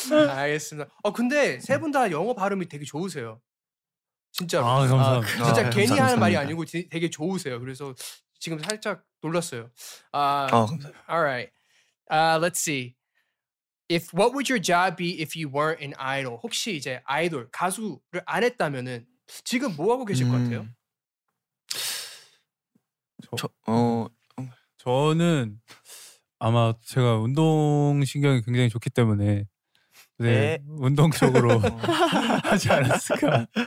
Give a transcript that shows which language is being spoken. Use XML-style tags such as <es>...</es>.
<ko>알겠습니다. 근데 세 분 다 영어 발음이 되게 좋으세요. 진짜로. 아, 감사합니다. 진짜 괜히 감사합니다. 하는 말이 아니고 되게 좋으세요. 그래서 지금 살짝 놀랐어요. 감사합니다.</ko> <en>All right. Let's see. If what would your job be if you weren't an idol?</en> <ko>혹시 이제 아이돌 가수를 안 했다면은 지금 뭐 하고 계실 것 같아요? 저는 아마 제가 운동 신경이 굉장히 좋기 때문에 네 운동 쪽으로 하지 않았을까?</ko>